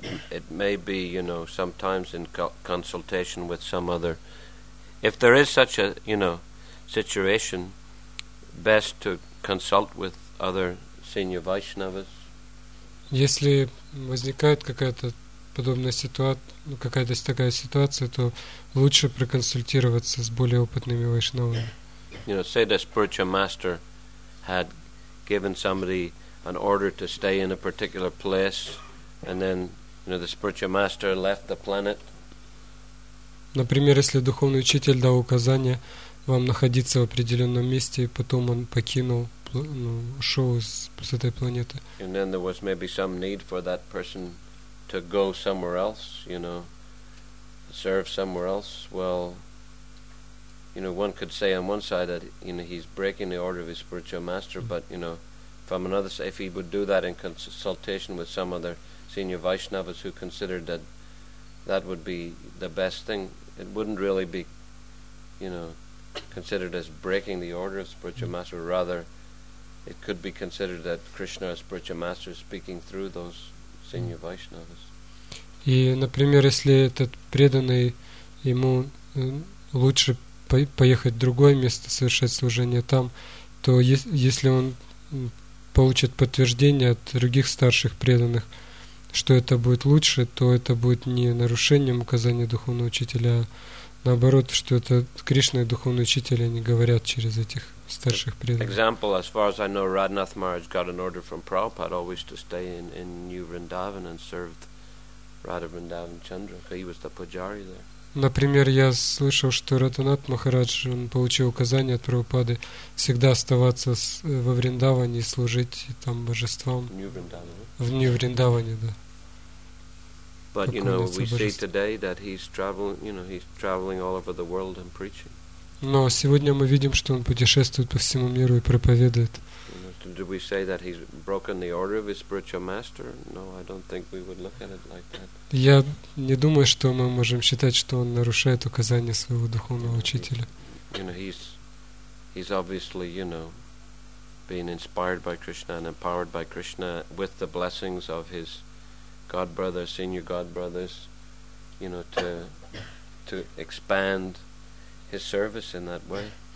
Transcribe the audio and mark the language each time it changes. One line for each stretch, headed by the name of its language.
English: It may be, you know, sometimes in consultation with some other. If there is such a, you know, situation, best to consult with other senior Vaishnavas.
Russian: Если возникает какая-то подобная ситуация, какая-то такая ситуация, то лучше проконсультироваться с более опытными вайшнавами.
English: You know, say the spiritual master had given somebody an order to stay in a particular place, and then, you know, the spiritual master left the planet.
Russian: Например, если духовный учитель дал указание вам находиться в определенном месте, и потом он покинул, ну, ушел с этой планеты.
English: And then there was maybe some need for that person to go somewhere else, you know, serve somewhere else. Well, you know, one could say on one side that, you know, he's breaking the order of his spiritual master, but, you know, from another side, if he would do that in consultation with some other senior Vaishnavas who considered that that would be the best thing, it wouldn't really be, you know, considered as breaking the order of spiritual master. Rather, it could be considered that Krishna as spiritual master is speaking through those senior Vaishnavas.
Russian: И, например, если этот преданный, ему лучше поехать в другое место, совершать служение там, то если он получит подтверждение от других старших преданных, что это будет лучше, то это будет не нарушением указания духовного учителя, а наоборот, что это Кришна и духовный учитель, они говорят через этих старших преданных.
English: Example, as far as I know, Radhanath Maharaj got an order from Prabhupada always to stay in New Vrindavan and serve Radha Vrindavan Chandra, because he was the pujari there.
Russian: Например, я слышал, что Радханат Махарадж, он получил указание от Прабхупады всегда оставаться во Вриндаване и служить там божествам. В Нью-Вриндаване, да.
English: But, you know, we see today that he's traveling, you know, he's traveling all over the world and preaching.
Russian: Но сегодня мы видим, что он путешествует по всему миру и проповедует.
English: Do we say that he's broken the order of his spiritual master? No, I don't think we would look at it like that.
Russian: Я не думаю, что мы можем считать, что он нарушает указания своего духовного учителя.
English: You know, he's obviously, you know, being inspired by Krishna and empowered by Krishna with the blessings of his godbrothers, senior godbrothers, you know, to expand his service in that way.